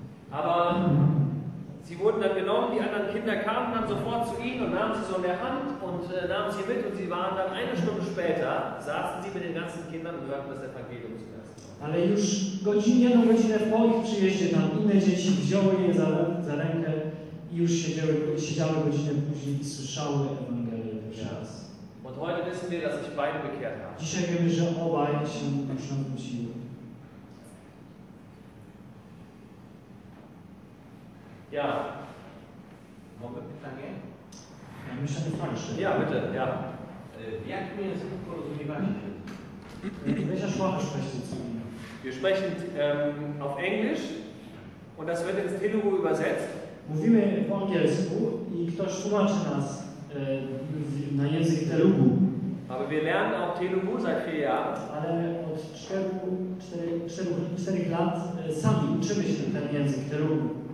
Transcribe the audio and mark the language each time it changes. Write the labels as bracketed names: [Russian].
[German] Aber sie wurden dann genommen, die anderen Kinder kamen dann sofort zu ihnen und nahmen sie so in der Hand und nahmen sie mit und sie waren dann eine Stunde später, saßen sie mit den ganzen Kindern und hörten das Evangelium zu. [Polish] Ale już jedną godzinę po ich przyjeździe tam inne dzieci wzięły je za rękę i już siedziały godzinę później i słyszały Ewangelię pierwszy raz. [German] Und heute wissen wir, dass ich beide bekehrt habe. [Polish] Dzisiaj wiemy, że obaj się już nawróciły. Ja. Mogę pytanie? Ja myślę, że fajnie. [German] Ja, bitte, ja. [Polish] Jak mnie jest porozumiewać? [German] Welcher Sprache sprichst du zu mir? Wir sprechen auf Englisch und das wird ins Telugu übersetzt. [Polish] Mówimy po angielsku i ktoś tłumaczy nas na język Telugu. [German] Aber wir lernen auch Telugu seit 4 Jahren. [Polish] Ale od 4 lat sami uczymy się ten język Telugu.